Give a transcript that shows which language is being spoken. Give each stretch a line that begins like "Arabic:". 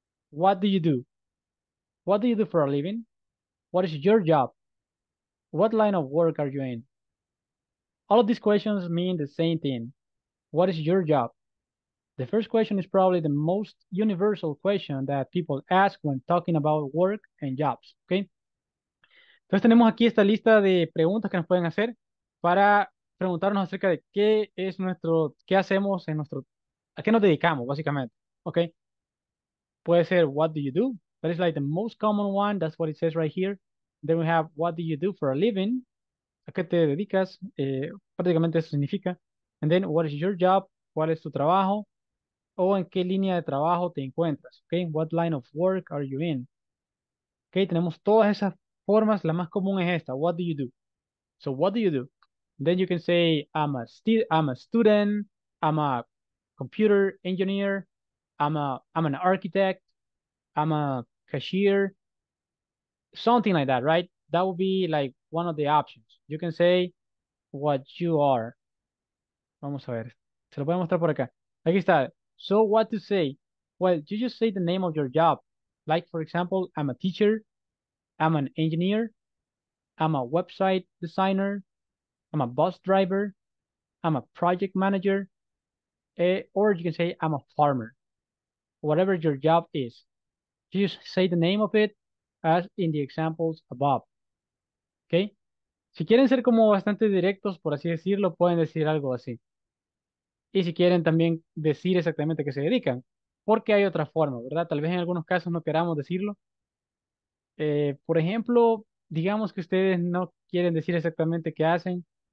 English: What do you do? What do you do for a living? What is your job? What line of work are you in? All of these questions mean the same thing. What is your job? The first question is probably the most universal question that people ask when talking about work and jobs, okay?
Spanish: Entonces tenemos aquí esta lista de preguntas que nos pueden hacer para preguntarnos acerca de qué es nuestro, qué hacemos en nuestro, a qué nos dedicamos, básicamente, okay? Puede ser,
English: what do you do? That is like the most common one, that's what it says right here. Then we have, what do you do for a living?
Spanish: ¿A qué te dedicas? Prácticamente eso significa.
English: And then, what is your job?
Spanish: ¿Cuál es tu trabajo? ¿O en qué línea de trabajo te encuentras?
English: Okay, what line of work are you in? Okay,
Spanish: tenemos todas esas formas. La más común es esta,
English: what do you do? So, what do you do? Then you can say, I'm a student, I'm a computer engineer, I'm an architect, I'm a cashier, something like that, right? That would be like one of the options. You can say what you are.
Spanish: Vamos a ver. Se lo voy a mostrar por acá. Aquí está.
English: So what to say? Well, you just say the name of your job. Like, for example, I'm a teacher. I'm an engineer. I'm a website designer. I'm a bus driver. I'm a project manager. Or you can say I'm a farmer. Whatever your job is, you just say the name of it as in the examples above, okay?
Spanish: Si quieren ser como bastante directos, por así decirlo, pueden decir algo así. Y si quieren también decir exactamente a qué se dedican, porque hay otra forma, ¿verdad? Tal vez en algunos casos no queramos decirlo. Por ejemplo, digamos que ustedes no quieren decir exactamente qué hacen.